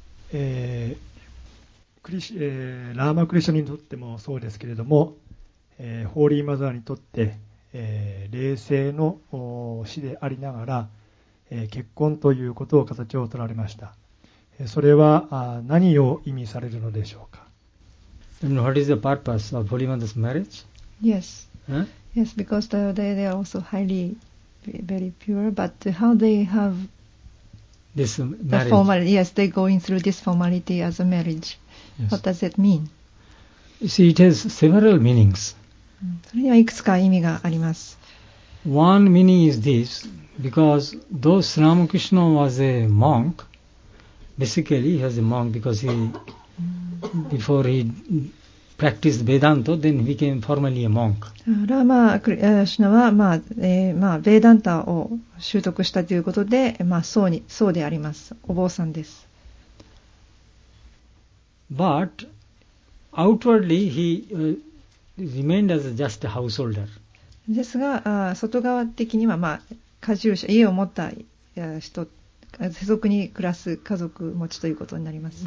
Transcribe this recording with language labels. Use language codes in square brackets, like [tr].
[ja] ラーマクリシュナにとってもそうですけれども、ホーリーマザーにとって、霊性の死でありながら、結婚ということを形を取られました。それは何を意味されるのでしょうか？ [en] What is the purpose of Holy Mother's marriage? Yes. Huh? Yes, because they are also highly very pure, but how they have this marriage? The formal, yes, they going through this formality as a marriage. Yes. What does it mean? You see, it has several meanings. [ja] それにはいくつか意味があります。 [en] One meaning is this. Because though Sri Ramakrishna was a monk, basically he was a monk because he, before he practiced Vedanta, then he became formally a monk. [ja] ラーマクリシュナは、ベーダンタを習得したということで、僧であります。お坊さんです。 [en] But outwardly he remained as just a householder. [ja] ですが、外側的には家住者、家を持った人、世俗に暮らす家族持ちということになります。